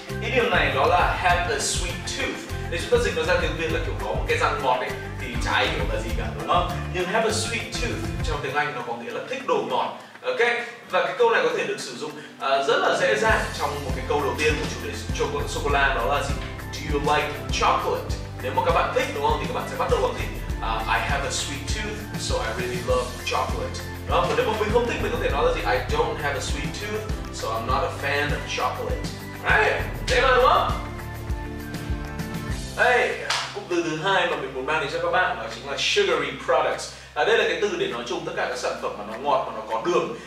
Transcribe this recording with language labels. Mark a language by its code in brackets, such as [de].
[vi] Idiom này đó là have a sweet tooth. Nếu chúng ta dịch nó ra tiếng Việt là kiểu có một cái răng ngọt ấy, thì chả ai hiểu là gì cả, đúng không? Nhưng have a sweet tooth trong tiếng Anh nó có nghĩa là thích đồ ngọt. Ok, và cái câu này có thể được sử dụng rất là dễ dàng trong một cái câu đầu tiên của chủ đề sô-cô-la, đó là gì? [en] Do you like chocolate? [vi] Nếu mà các bạn thích, đúng không, thì các bạn sẽ bắt đầu bằng gì? [en] I have a sweet tooth, so I really love chocolate. [vi] Đúng không? Và nếu mà mình không thích, mình có thể nói là gì? [en] I don't have a sweet tooth, so I'm not a fan of chocolate. [vi] Right? Đấy là đúng không? Hey, cụm từ thứ hai mà mình muốn mang đến cho các bạn đó chính là sugary products. Đây là cái từ để nói chung tất cả các sản phẩm mà nó ngọt và nó có đường.